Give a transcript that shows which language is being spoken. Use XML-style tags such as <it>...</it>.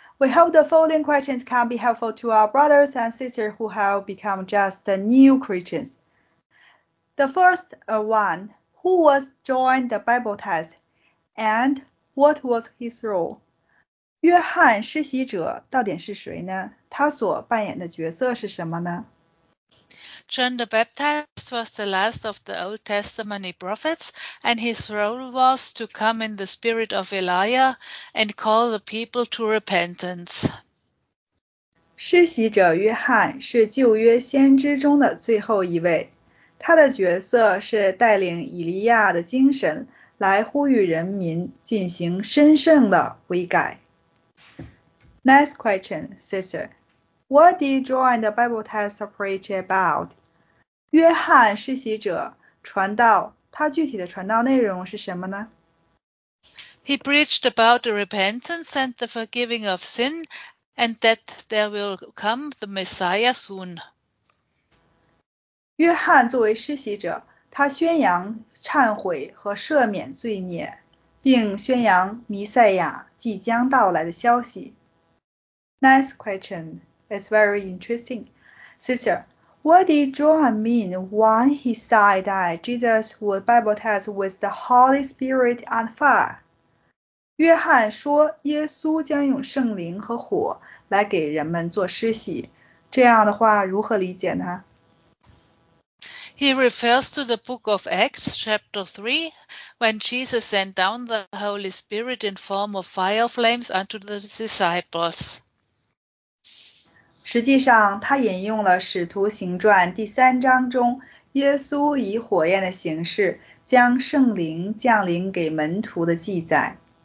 <en>We hope the following questions can be helpful to our brothers and sisters who have become just new Christians. The first one, who was joined the Bible test and what was his role?</en> <zh>约翰施洗者到底是谁呢？他所扮演的角色是什么呢？</zh> <en>John the Baptist was the last of the Old Testament prophets, and his role was to come in the spirit of Elijah and call the people to repentance.</en> <zh>施洗者约翰是旧约先知中的最后一位。他的角色是带领以利亚的精神来呼吁人民进行深深的悔改。</zh> <en>Next question, sister. What did John the Baptist preach about?</en> <zh>约翰施洗者传道，他具体的传道内容是什么呢？</zh> <en>He preached about the repentance and the forgiving of sin and that there will come the Messiah soon.</en> <zh>约翰作为施洗者，他宣扬忏悔和赦免罪孽，并宣扬弥赛亚即将到来的消息。</zh> <en>Next question is very interesting. Sister, what did John mean when he said that Jesus would baptize with the Holy Spirit and fire?</en> <zh>约翰说耶稣将用圣灵和火来给人们做施洗，这样的话如何理解呢？</zh> <en>He refers to the book of Acts, chapter 3, when Jesus sent down the Holy Spirit in form of fire flames unto the disciples.</en> <zh>实际上，他引用了《使徒行传》第三章中，耶稣以火焰的形式将圣灵降临给门徒的记载。</zh>